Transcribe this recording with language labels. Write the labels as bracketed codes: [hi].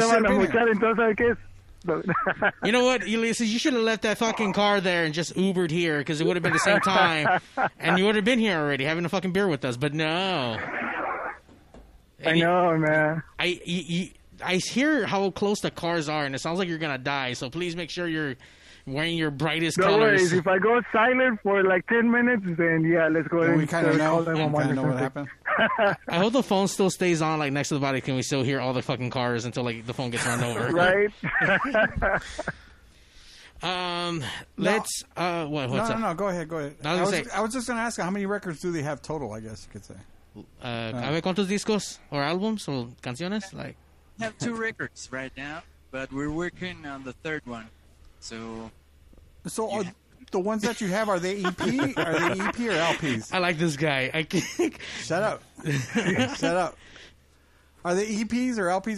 [es] se van a mochar, entonces, ¿sabes qué es? [en] You know what, Ulysses, you should have left that fucking car there and just Ubered here, because it would have been the same time, and you would have been here already having a fucking beer with us, but no. And I know, man. I hear how close the cars are, and it sounds like you're going to die, so please make sure you're wearing your brightest colors. No worries. If I go silent for like 10 minutes, then yeah, let's go ahead and call them. We kind of know what happened. I hope the phone still stays on, like, next to the body. Can we still hear all the fucking cars until, like, the phone gets run over? Right? No, go ahead. I was just going to ask, how many records do they have total, I guess you could say? [es] A ver, ¿cuántos discos [en] or albums or [es] canciones? [en] Like, we have two records right now, but we're working on the third one. So yeah. The ones that you have, are they EP? Are they EP or LPs? I like this guy. I can't... Shut up. Are they EPs or LPs?